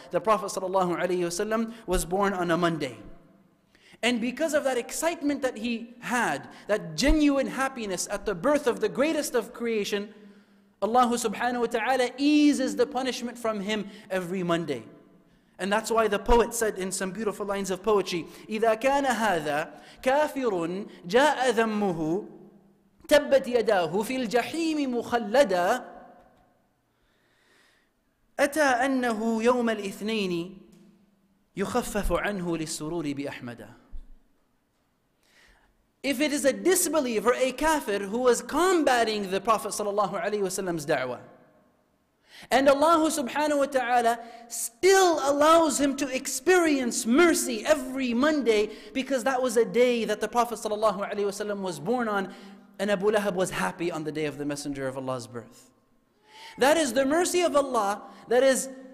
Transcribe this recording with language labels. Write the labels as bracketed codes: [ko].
[en] The Prophet sallallahu alaihi wasallam was born on a Monday. And because of that excitement that he had, that genuine happiness at the birth of the greatest of creation, Allah subhanahu wa ta'ala eases the punishment from him every Monday. And that's why the poet said in some beautiful lines of poetry, [ar] إِذَا كَانَ هَذَا كَافِرٌ جَاءَ ذَمُّهُ تَبَّتْ يَدَاهُ فِي الْجَحِيمِ مُخَلَّدًا أَتَى أَنَّهُ يَوْمَ الْإِثْنَيْنِ يُخَفَّفُ عَنْهُ لِلسُّرُورِ بِأَحْمَدًا. [en] If it is a disbeliever, a kafir, who was combating the Prophet sallallahu alayhi wasallam's da'wah, and Allah subhanahu wa ta'ala still allows him to experience mercy every Monday because that was a day that the Prophet sallallahu alayhi wasallam was born on, and Abu Lahab was happy on the day of the Messenger of Allah's birth. That is the mercy of Allah that is